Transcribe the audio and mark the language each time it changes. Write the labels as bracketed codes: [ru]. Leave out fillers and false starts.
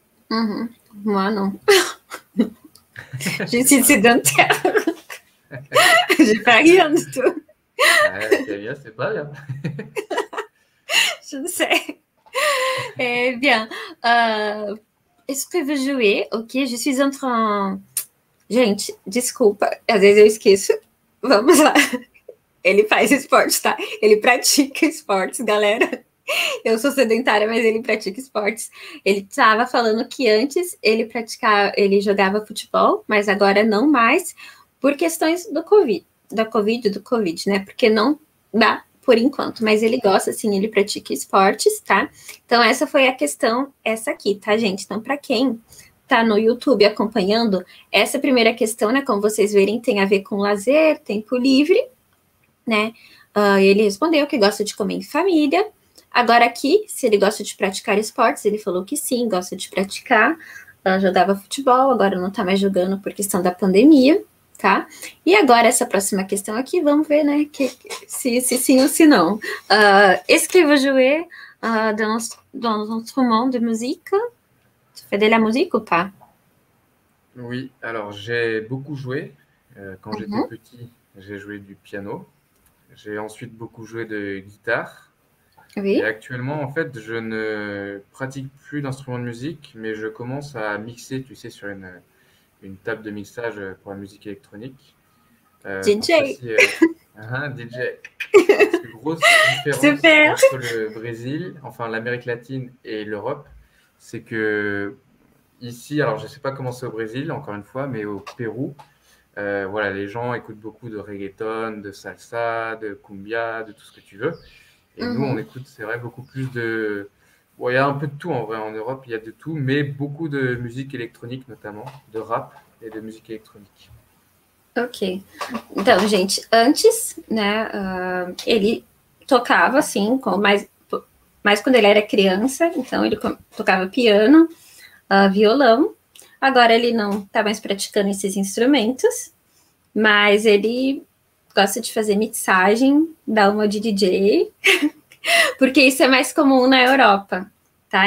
[fr] Mm-hmm. Moi, non. Je suis sédentaire. J'ai pas rien du tout. C'est bien, c'est pas bien. Je ne sais. Eh bien, est-ce que vous jouez? Ok, je suis en train. [pt] Gente, desculpa, às vezes eu esqueço. Vamos lá. Ele faz esportes, tá? Ele pratica esportes, galera. Eu sou sedentária, mas ele pratica esportes. Ele estava falando que antes ele jogava futebol, mas agora não mais, por questões do Covid. Do Covid, né? Porque não dá por enquanto, mas ele gosta, sim, ele pratica esportes, tá? Então, essa foi a questão, essa aqui, tá, gente? Então, para quem tá no YouTube acompanhando, essa primeira questão, né? Como vocês verem, tem a ver com lazer, tempo livre, né? Ele respondeu que gosta de comer em família. Agora aqui, se ele gosta de praticar esportes, ele falou que sim, gosta de praticar. Jogava futebol, agora não tá mais jogando por questão da pandemia, tá? E agora essa próxima questão aqui, vamos ver, né, se sim ou se não. [fr] Escrevo jouer dans notre monde de musique. Tu fais de la musique ou pas? Oui, alors j'ai beaucoup joué. Quand j'étais petit, j'ai joué du piano. J'ai ensuite beaucoup joué de guitare. Oui. Et actuellement, en fait, je ne pratique plus d'instruments de musique, mais je commence à mixer, tu sais, sur une table de mixage pour la musique électronique. DJ. DJ. C'est une grosse différence super. Entre le Brésil, enfin l'Amérique latine et l'Europe. C'est que ici, alors je ne sais pas comment c'est au Brésil, encore une fois, mais au Pérou, voilà, les gens écoutent beaucoup de reggaeton, de salsa, de cumbia, de tout ce que tu veux. Et nous, on écoute, c'est vrai, beaucoup plus de... Bon, il y a un peu de tout, en vrai, en Europe, il y a de tout, mais beaucoup de musique électronique, notamment, de rap et de musique électronique. Ok. [pt] Então, gente, antes, né, ele tocava, assim, mais quando ele era criança, então ele tocava piano, violão. Agora ele não tá mais praticando esses instrumentos, Mas ele gosta de fazer mixagem, dar uma de DJ, porque isso é mais comum na Europa, tá?